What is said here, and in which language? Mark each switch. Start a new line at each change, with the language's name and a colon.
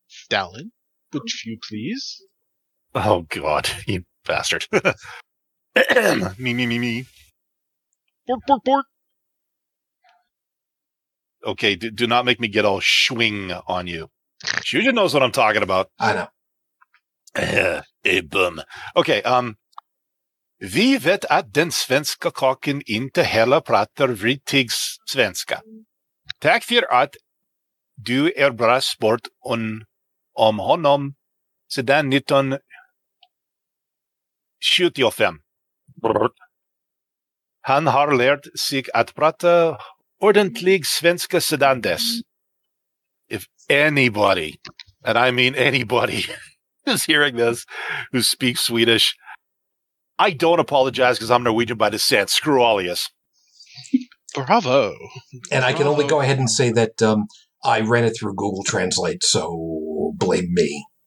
English: Dallin, would you please? Oh, God, you bastard. Me. Bork. Okay, do not make me get all swing on you. Shuja knows what I'm talking about. I know. Boom.
Swedish: Okay, Vi vet att den svenska kocken inte heller pratar riktig svenska. Tack för att du är bra sport om honom sedan 1975. Han har lärt sig att prata ordentlig svenska sedan dess.
English: If anybody, and I mean anybody, is hearing this who speaks Swedish, I don't apologize because I'm Norwegian by descent. Screw Alias. Bravo. And I can only go ahead and say that I ran it through Google Translate, so blame me.